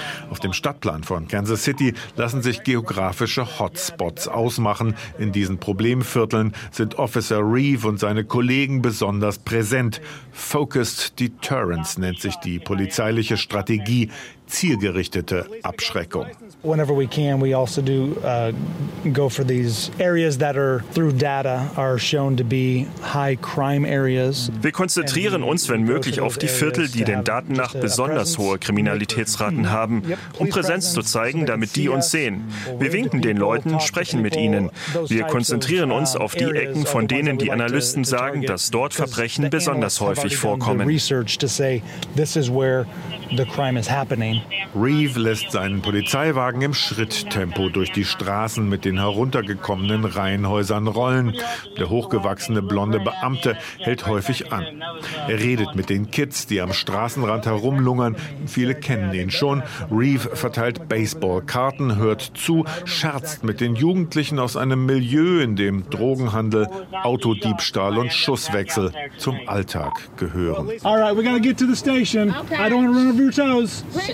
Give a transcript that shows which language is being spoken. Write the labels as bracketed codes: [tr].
[de] Auf dem Stadtplan von Kansas City lassen sich geografische Hotspots ausmachen. In diesen Problemvierteln sind Officer Reeve und seine Kollegen besonders präsent. Focused Deterrence nennt sich die polizeiliche Strategie. Zielgerichtete Abschreckung. [en] Whenever we can, we also do go for these areas that are through data are shown to be high crime areas. [de] Wir konzentrieren uns, wenn möglich, auf die Viertel, die den Daten nach besonders hohe Kriminalitätsraten haben, um Präsenz zu zeigen, damit die uns sehen. Wir winken den Leuten, sprechen mit ihnen. Wir konzentrieren uns auf die Ecken, von denen die Analysten sagen, dass dort Verbrechen besonders häufig vorkommen. [en] Research to say this is where the crime is happening. [de] Reeve lässt seinen Polizeiwagen im Schritttempo durch die Straßen mit den heruntergekommenen Reihenhäusern rollen. Der hochgewachsene blonde Beamte hält häufig an. Er redet mit den Kids, die am Straßenrand herumlungern. Viele kennen ihn schon. Reeve verteilt Baseballkarten, hört zu, scherzt mit den Jugendlichen aus einem Milieu, in dem Drogenhandel, Autodiebstahl und Schusswechsel zum Alltag gehören. [en] All right, we gotta get to the station. I don't want to run over your toes.